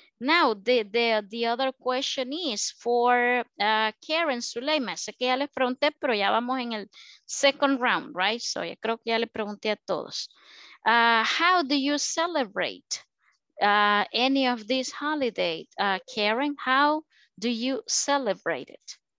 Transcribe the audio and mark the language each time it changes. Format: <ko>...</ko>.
<en>Now, the other question is for Karen Suleyma.</en> <es>Sé que ya les pregunté, pero ya vamos en el</es> <en>second round, right?</en> <es>So, yo creo que ya le pregunté a todos.</es> <en>How do you celebrate any of these holidays, Karen? How do you celebrate it?</en>